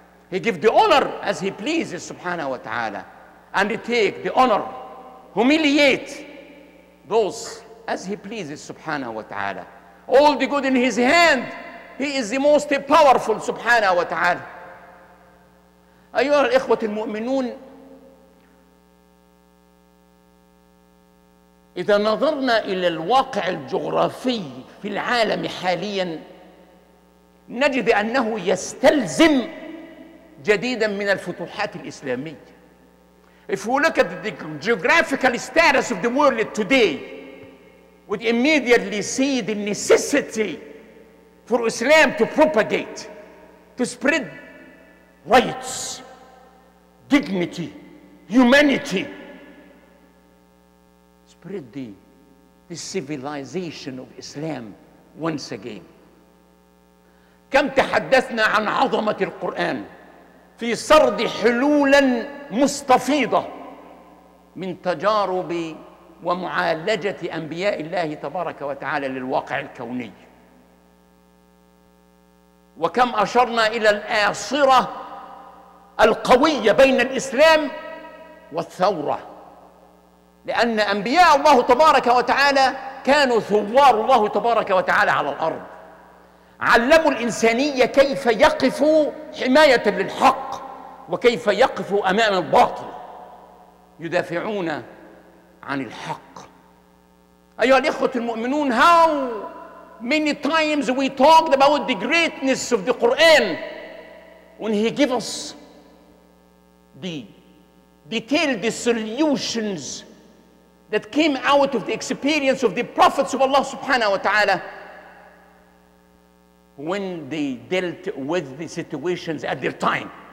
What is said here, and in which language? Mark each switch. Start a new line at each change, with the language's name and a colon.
English: He gives the honor as he pleases subhanahu wa ta'ala. And take the honor, humiliate those as he pleases subhanahu wa ta'ala. All the good in his hand, he is the most powerful subhanahu wa ta'ala.
Arabic: أيها الإخوة المؤمنون إذا نظرنا إلى الواقع الجغرافي في العالم حاليا نجد أنه يستلزم جديدا من الفتوحات الإسلامية. If we look at the geographical status of the world today, we immediately see the necessity for Islam to propagate, to spread rights, dignity, humanity, spread the civilization of Islam once again. كم تحدثنا عن عظمة القرآن في سرد حلولا مستفيضة من تجارب ومعالجة أنبياء الله تبارك وتعالى للواقع الكوني، وكم أشرنا إلى الآصرة القوية بين الإسلام والثورة، لأن أنبياء الله تبارك وتعالى كانوا ثوار الله تبارك وتعالى على الأرض، علموا الإنسانية كيف يقفوا حماية للحق وكيف يقفوا أمام الباطل، يدافعون عن الحق. أيها الإخوة المؤمنون،
English: how many times we talked about the greatness of the Quran when he gave us the detailed solutions that came out of the experience of the prophets of Allah subhanahu wa ta'ala when they dealt with the situations at their time.